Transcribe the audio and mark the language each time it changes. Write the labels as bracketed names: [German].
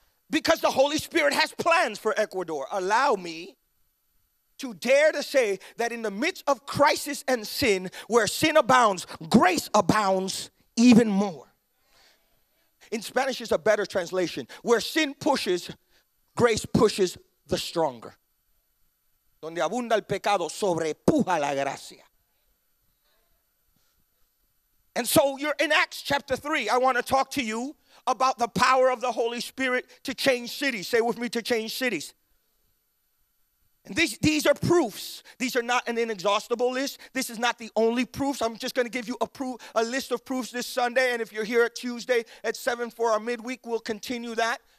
[English] Because the Holy Spirit has plans for Ecuador. Allow me to dare to say that in the midst of crisis and sin, where sin abounds, grace abounds even more. In Spanish, it's a better translation. Where sin pushes, grace pushes the stronger. [Spanish] Donde abunda el pecado, sobrepuja la gracia. [English] And so you're in Acts chapter 3. I want to talk to you about the power of the Holy Spirit to change cities. Say with me, to change cities. And these are proofs. These are not an inexhaustible list. This is not the only proofs. I'm just going to give you a list of proofs this Sunday. And if you're here at Tuesday at 7 for our midweek, we'll continue that.